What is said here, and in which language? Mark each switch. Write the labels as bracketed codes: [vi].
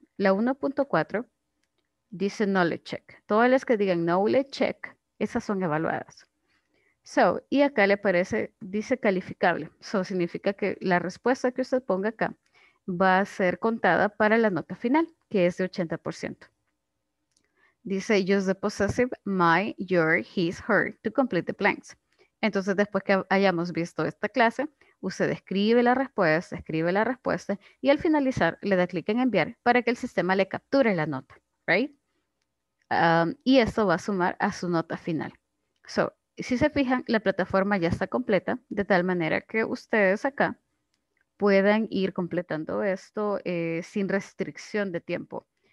[es] La 1.4 dice knowledge check. Todas las que digan knowledge check, esas son evaluadas. So, y acá le aparece, dice calificable. So, significa que la respuesta que usted ponga acá va a ser contada para la nota final, que es de 80%. [en] Dice, use the possessive my, your, his, her to complete the blanks. [es] Entonces, después que hayamos visto esta clase, usted escribe la respuesta y al finalizar le da clic en enviar para que el sistema le capture la nota, right? Y esto va a sumar a su nota final. So, si se fijan, la plataforma ya está completa, de tal manera que ustedes acá puedan ir completando esto sin restricción de tiempo.